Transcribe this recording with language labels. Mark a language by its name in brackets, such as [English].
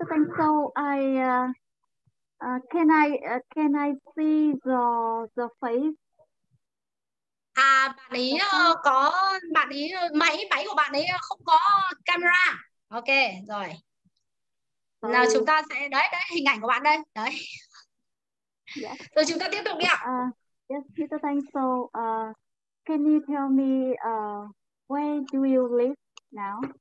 [English] Thanh, so I can I see the face? [Vietnamese] À bạn ấy có bạn ấy máy của bạn ấy không có camera. Ok, rồi. Nào chúng ta sẽ đấy hình ảnh của bạn đây. Đấy. [English] Yeah. [Vietnamese] Rồi chúng ta tiếp tục đi ạ. [English] Yes, Mr. Thanh, so can you tell me where do you live now?